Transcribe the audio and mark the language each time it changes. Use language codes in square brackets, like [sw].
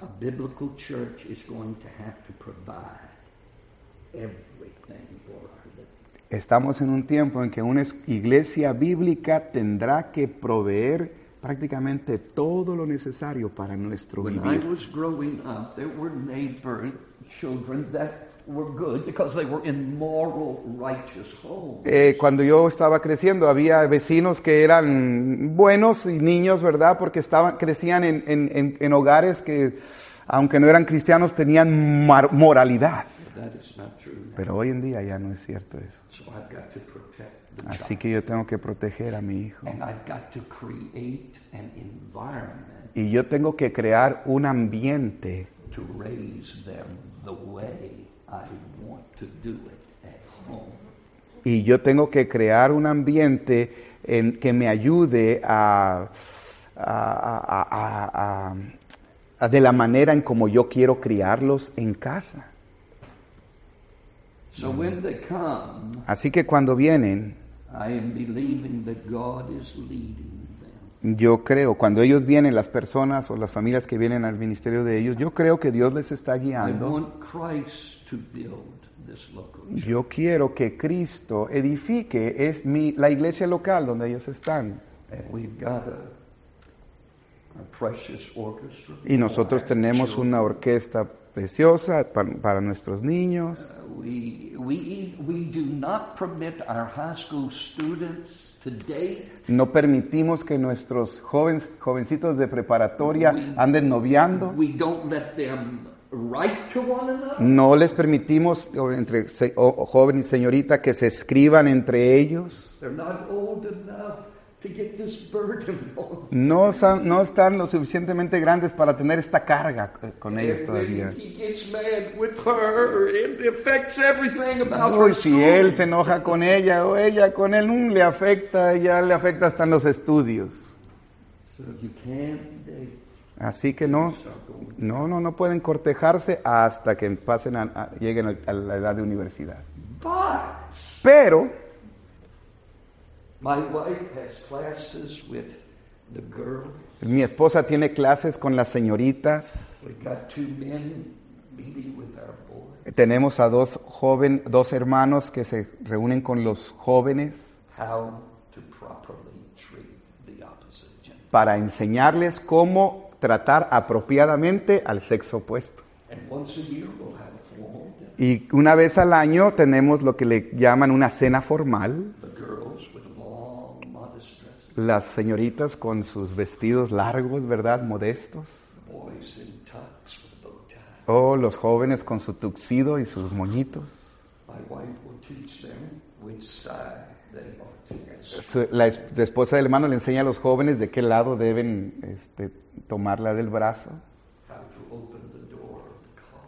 [en] to [es] Estamos en un tiempo en que una iglesia bíblica tendrá que proveer prácticamente todo lo necesario para nuestro [en] When [es] vivir. [en] I was growing up, there were neighbor children that were good because they were in moral, righteous homes. [es] Cuando yo estaba creciendo, había vecinos que eran buenos y niños, ¿verdad? Porque estaban crecían en hogares que, aunque no eran cristianos, tenían moralidad. [en] That is not true now. [es] Pero hoy en día ya no es cierto eso. [en] So I've got to protect the child. [es] Así que yo tengo que proteger a mi hijo. [en] And I've got to create an environment. [es] Y yo tengo que crear un ambiente [en] to raise them the way I want to do it at home. [es] Y yo tengo que crear un ambiente en que me ayude a de la manera en como yo quiero criarlos en casa. [en] So when they come, [es] así que cuando vienen, [en] I am believing that God is leading them. [es] Yo creo, cuando ellos vienen, las personas o las familias que vienen al ministerio de ellos, yo creo que Dios les está guiando. [en] I want Christ to build this local church. [es] Yo quiero que Cristo edifique la iglesia local donde ellos están. [en] And we've got a precious orchestra. [es] Y nosotros tenemos una orquesta preciosa para nuestros niños. [en] We do not permit our high school students to date. [es] No permitimos que nuestros jovencitos de preparatoria anden noviando. [en] We don't let them write to one another. [es] No les permitimos entre joven y señorita que se escriban entre ellos. [en] They're not old enough to get this burden. [es] No están lo suficientemente grandes para tener esta carga con ellos todavía. [en] He gets mad with her, it affects everything about her. [es] Si él se enoja con ella o ella con él, le afecta, ya le afecta hasta en los estudios. [en] So you can't date. [es] Así que no pueden cortejarse hasta que pasen lleguen a la edad de universidad. Pero [en] my wife has classes with the girls. [es] Mi esposa tiene clases con las señoritas. [en] We've got two men meeting with our boys. [es] Tenemos a dos hermanos que se reúnen con los jóvenes. [en] How to properly treat the opposite gender. [es] Para enseñarles cómo tratar apropiadamente al sexo opuesto. [en] And once a year we'll have formal dinner. [es] Y una vez al año tenemos lo que le llaman una cena formal. Las señoritas con sus vestidos largos, ¿verdad? Modestos. [en] Boys in tux with bow ties. [es] Oh, los jóvenes con su tuxedo y sus moñitos. [en] My wife will teach them which side they ought to [es] La esposa del hermano le enseña a los jóvenes de qué lado deben tomarla del brazo. [en] How to open the door of the car.